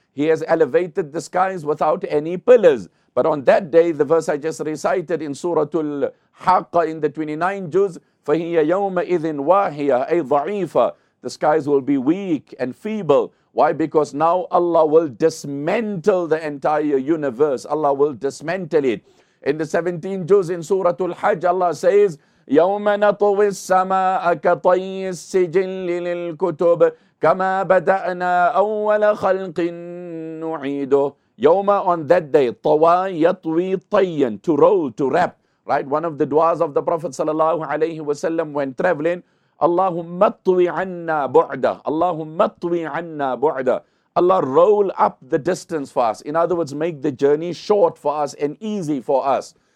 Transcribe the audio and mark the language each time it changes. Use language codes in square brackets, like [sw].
[en] He has elevated the skies without any pillars. But on that day, the verse I just recited in Surah Al-Haqqa in the 29th juz, [ar] فَهِيَ يَوْمَئِذٍ وَاهِيَةٌ أَيْ ضَعِيفَةٌ. [en] The skies will be weak and feeble. Why? Because now Allah will dismantle the entire universe. Allah will dismantle it. In the 17th juz in Surah Al-Hajj, Allah says, [ar] يَوْمَ نَطْوِي السَّمَاءَ كَطَيِّ السِّجِلِّ لِلْكُتُبِ كَمَا بَدَأْنَا أَوَّلَ خَلْقٍ نُعِيدُهُ. [en] يَوْمَ, on that day, [ar] طَوَى يَطْوِي طَيًّا, [en] to roll, to wrap. Right? One of the du'as of the Prophet sallallahu alayhi wa sallam when traveling, [ar] Allahumma atwi anna bu'da, [en] Allahumma atwi anna bu'da. Allah, roll up the distance for us. In other words, make the journey short for us and easy for us.